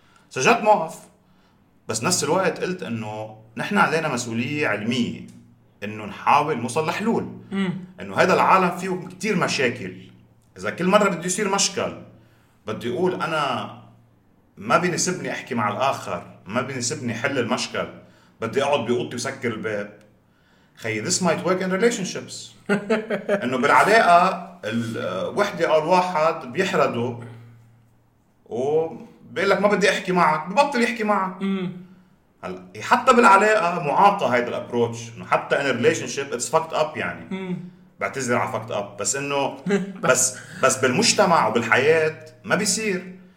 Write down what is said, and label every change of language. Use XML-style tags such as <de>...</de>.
<ar>سجلت موقف، بس نفس الوقت قلت أنه نحن علينا مسؤولية علمية أنه نحاول نوصل لحلول، أنه هذا العالم فيه كتير مشاكل، إذا كل مرة بده يصير مشكل بدي أقول أنا ما بينسبني أحكي مع الآخر، ما بينسبني حل المشكل، بدي أقعد بأوضتي وسكر الباب. خي</ar> <en>this might work in relationships.</en> <ar>إنه بالعلاقة الوحدة أو الواحد بيحرده وبيقول لك ما بدي أحكي معك، ببطل يحكي معك. حتى بالعلاقة معاقة هيدا الأبروتش، إنه حتى</ar> <en>in relationship it's fucked up</en> <ar>يعني. بعتذر على</ar> <en>fucked up،</en> <ar>بس إنه بس بالمجتمع وبالحياة ما بيصير.</ar>